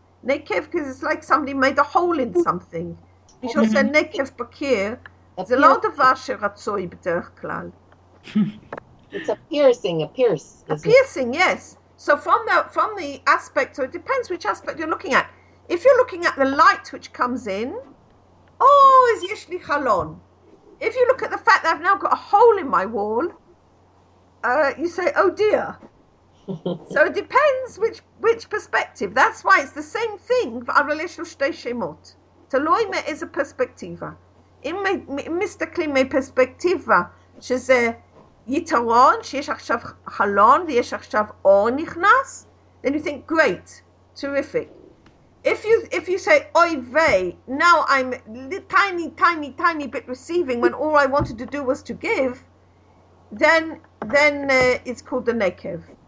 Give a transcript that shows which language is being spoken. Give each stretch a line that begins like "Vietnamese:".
English: נקב, because it's like somebody made a hole in something.
Hebrew: מי שעושה נקב בקיר, זה לא דבר שרצוי בדרך כלל.
English: It's a piercing, a pierce. A piercing, yes. So from the aspect, so it depends which aspect you're looking at. If you're looking at the light which comes in, oh, is
Hebrew: יש לי חלון.
English: If you look at the fact that I've now got a hole in my wall, you say, oh dear. So it depends which perspective. That's why it's the same thing,
Hebrew: אבל יש לו שתי שמות. תלוי מאיזה פרספקטיבה. אם מסתכלים מפרספקטיבה שזה יתרון, שיש עכשיו חלון ויש עכשיו אור נכנס,
English: then you think, great, terrific. If you say, oy vey, now I'm tiny, tiny, tiny bit receiving when all I wanted to do was to give, then it's called the nekev.